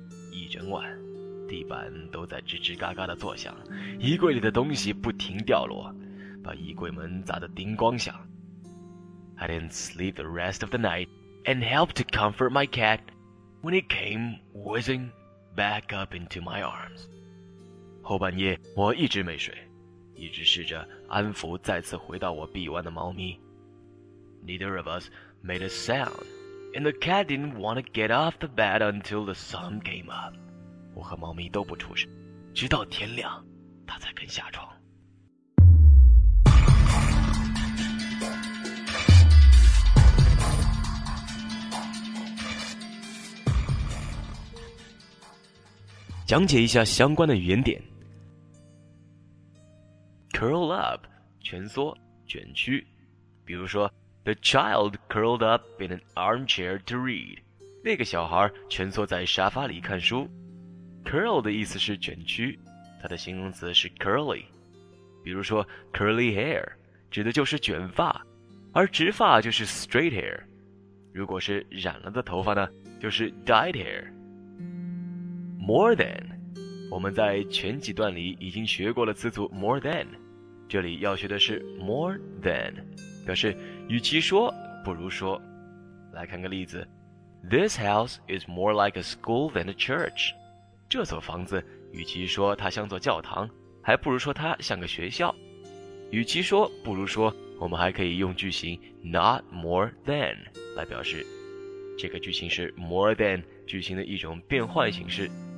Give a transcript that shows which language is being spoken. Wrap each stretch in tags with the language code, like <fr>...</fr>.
<zh>一整晚，地板都在吱吱嘎嘎的作响，衣柜里的东西不停掉落，把衣柜门砸得叮咣响。</zh> <en>I didn't sleep the rest of the night. And helped to comfort my cat when he came whizzing back up into my arms.</en> <zh>后半夜我一直没睡，一直试着安抚再次回到我臂弯的猫咪。</zh> <en>Neither of us made a sound, and the cat didn't want to get off the bed until the sun came up.</en> <zh>我和猫咪都不出声，直到天亮，它才肯下床。讲解一下相关的语言点。</zh> <en>Curl up</en> <zh>蜷缩卷曲，比如说</zh> <en>The child curled up in an armchair to read.</en> <zh>那个小孩蜷缩在沙发里看书。 Curl 的意思是卷曲，它的形容词是 curly， 比如说 curly hair 指的就是卷发，而直发就是 straight hair， 如果是染了的头发呢，就是 dyed hair。 More than， 我们在前几段里已经学过了词组 more than， 这里要学的是 more than， 表示与其说不如说。来看个例子，</zh> <en>This house is more like a school than a church.</en> <zh>这所房子与其说它像座教堂，还不如说它像个学校。与其说不如说，我们还可以用句型 not more than 来表示。这个句型是 more than 句型的一种变换形式。</zh>